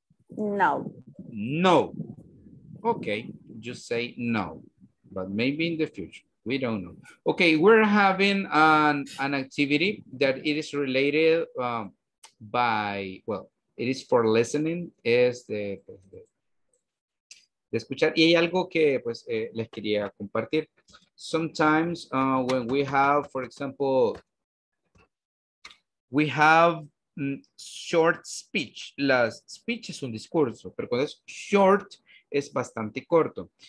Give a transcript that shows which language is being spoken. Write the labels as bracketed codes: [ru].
[en] No. No. Okay, just say no. But maybe in the future. We don't know. Okay, we're having an activity that it is related by, well, it is for listening. [es] Es de escuchar, y hay algo que pues les quería compartir. [en] Sometimes when we have, for example, we have short speech. [es] Las speech es un discurso, pero cuando es short, es bastante corto.